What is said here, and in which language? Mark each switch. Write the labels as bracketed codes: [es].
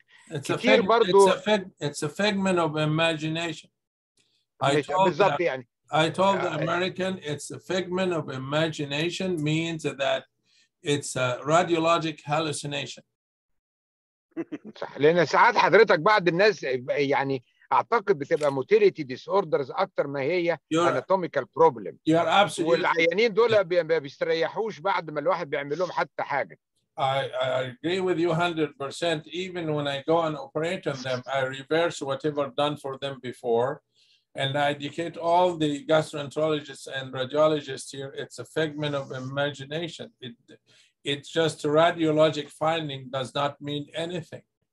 [en] it's a figment of imagination. I told the American it's a figment of imagination, means that it's a radiologic hallucination. [ar] صح لان ساعات حضرتك بعض الناس يعني اعتقد بتبقى motility disorders اكتر ما هي anatomical problem. [en] You're absolutely [ar] والعيانين دول ما بيستريحوش بعد ما الواحد بيعمل لهم حتى حاجه. [en] I agree with you 100%. Even when I go and operate on them, I reverse whatever done for them before. And I educate all the gastroenterologists and radiologists here, it's a figment of imagination. It's just a radiologic finding, does not mean anything.